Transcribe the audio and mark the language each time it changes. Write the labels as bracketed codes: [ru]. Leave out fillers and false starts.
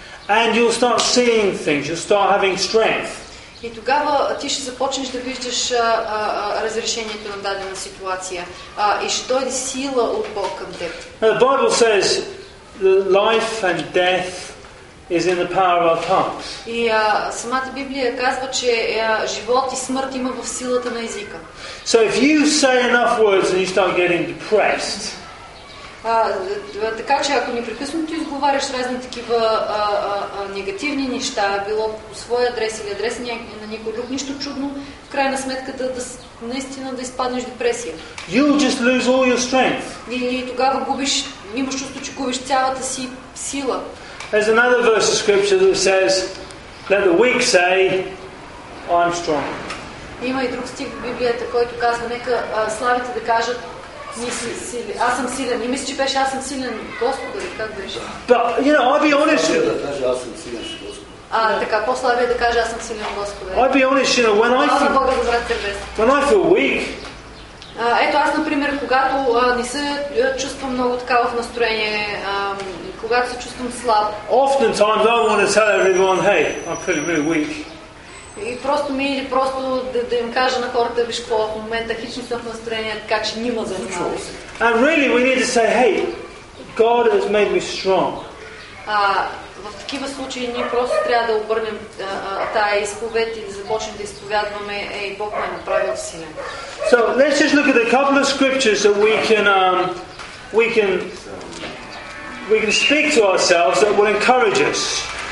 [en] And you'll start seeing things, you'll start having strength. [bg] И тогава ти ще започнеш да виждаш разрешението на дадена ситуация. И ще дойде сила от Бог към теб. [en] The Bible says life and death is in the power of tongues. [bg] И самата Библия казва, че живот и смърт има в силата на езика. [en] So if you say enough words and you start getting depressed. [bg] Така че ако непрекъснато изговаряш разни такива негативни неща, било по своя адрес или адрес на никой друг, нищо чудно, в крайна сметка наистина да изпаднеш депресия. [en] You'll just lose all your strength. [bg] И тогава губиш, имаш чувство, че губиш цялата си сила. [en] There's another verse of scripture that says, let the weak say, I'm strong. [bg] Има и друг стих в Библията, който казва, нека слабите да кажат, аз съм силен. И мисля, че беше аз съм силен, Господа, как беше? [en] But, you know, I'll be honest with you. [bg] Така, по-слабия да каже, аз съм силен, Господа. [en] I'll be honest, you know, when I feel... [bg] Бога да врат тебе. [en] When I feel weak. [bg] Ето аз, например, когато не се чувствам много така в настроение, когато се чувствам слаб. [en] Oftentimes I want to tell everyone, hey, I'm feeling really weak. [bg] И просто ми или просто да им кажа на хората, виж какво в момента хич не съм в настроение, така че няма занимава. [en] And really we need to say, hey, God has made me strong. [bg] В такива случаи ние просто трябва да обърнем тая изповед и да започнем да изповядваме, ей, Бог ме е направил силен. [en] So let's just look at a couple of scriptures that we can speak to ourselves that will encourage us.